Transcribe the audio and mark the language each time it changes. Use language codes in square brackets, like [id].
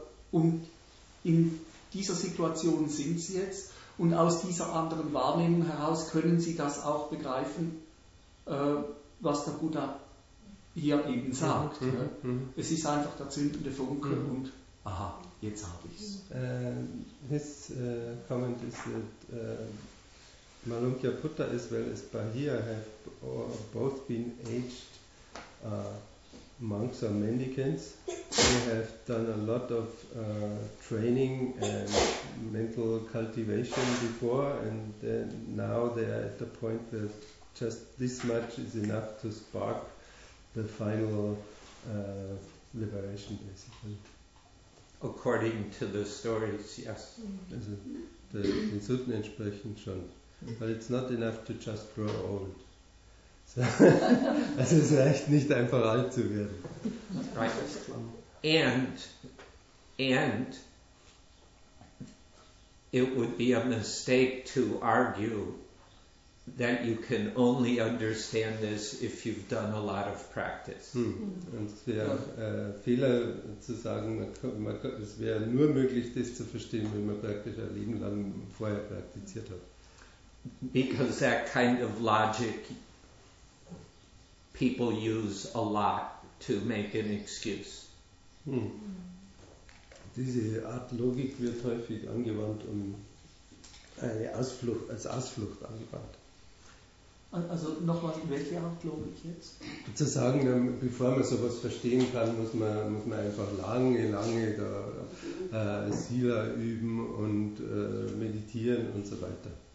[de] Und in dieser Situation sind sie jetzt und aus dieser anderen Wahrnehmung heraus können sie das auch begreifen, was der Buddha hier eben sagt. Mhm. Ja. Es ist einfach der zündende Funke und aha, jetzt habe ich es. [en] His comment is that Malunkya Putta as well as Bahia have both been aged monks or mendicants. They have done a lot of training and mental cultivation before, and then now they are at the point that just this much is enough to spark the final liberation, basically. According to the stories, yes. [de] Also, den Sutten entsprechend schon. [en] But it's not enough to just grow old. [de] Also es reicht nicht einfach alt zu werden. [en] Right. And And it would be a mistake to argue that you can only understand this if you've done a lot of practice. Hm. [de] Und es wäre Fehler zu sagen, es wäre nur möglich, das zu verstehen, wenn man praktisch ein Leben lang vorher praktiziert hat. [en] Because that kind of logic people use a lot to make an excuse. Hm. [de] Diese Art Logik wird häufig angewandt, um eine Ausflucht, als Ausflucht angewandt. Also nochmal, welche Art Logik jetzt? Zu sagen, bevor man sowas verstehen kann, muss man einfach lange da Sila üben und meditieren und so weiter.